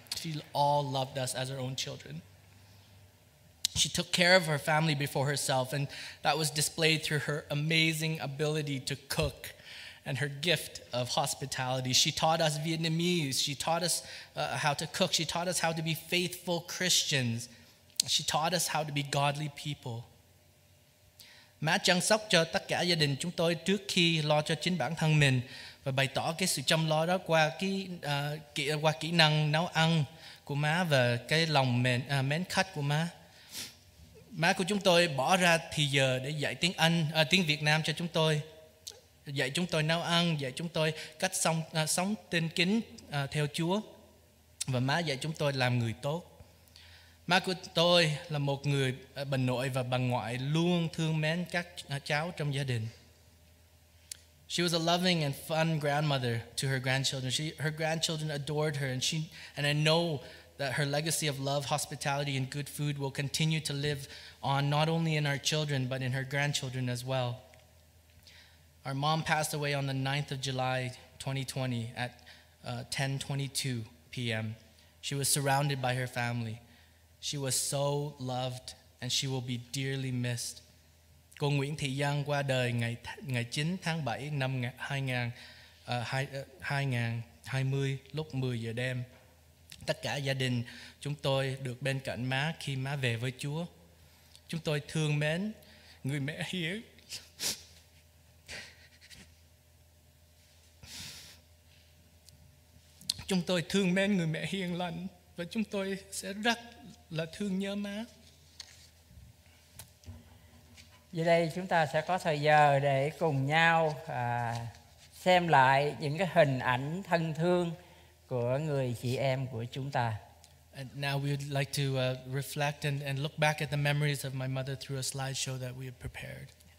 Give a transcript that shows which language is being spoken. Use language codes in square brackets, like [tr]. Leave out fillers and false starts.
[en] She all loved us as her own children. She took care of her family before herself, and that was displayed through her amazing ability to cook and her gift of hospitality. She taught us Vietnamese. She taught us how to cook. She taught us how to be faithful Christians. She taught us how to be godly people. [vi] Má chăm sóc cho tất cả gia đình chúng tôi trước khi lo cho chính bản thân mình và bày tỏ cái sự chăm lo đó qua kỹ năng nấu ăn của má và cái lòng mến khách của má. Má của chúng tôi bỏ ra thì giờ để dạy tiếng Anh, tiếng Việt Nam cho chúng tôi, dạy chúng tôi nấu ăn, dạy chúng tôi cách sống tin kính theo Chúa, và má dạy chúng tôi làm người tốt. Má của tôi là một người bà nội và bà ngoại luôn thương mến các cháu trong gia đình. [en] She was a loving and fun grandmother to her grandchildren. Her grandchildren adored her, and I know that her legacy of love, hospitality, and good food will continue to live on not only in our children, but in her grandchildren as well. Our mom passed away on the 9th of July, 2020 at 10:22 p.m. She was surrounded by her family. She was so loved, and she will be dearly missed. [vi] Cô Nguyễn Thị Giang qua đời ngày 9 tháng 7 năm 2020 lúc 10 giờ đêm. Tất cả gia đình chúng tôi được bên cạnh má khi má về với Chúa. Chúng tôi thương mến người mẹ hiếu. Chúng tôi thương mến người mẹ hiền lành và chúng tôi sẽ rất là thương nhớ má. Vậy đây chúng ta sẽ có thời giờ để cùng nhau xem lại những cái hình ảnh thân thương của người chị em của chúng ta. [en] And now we would like to reflect and look back at the memories of my mother through a slideshow that we have prepared.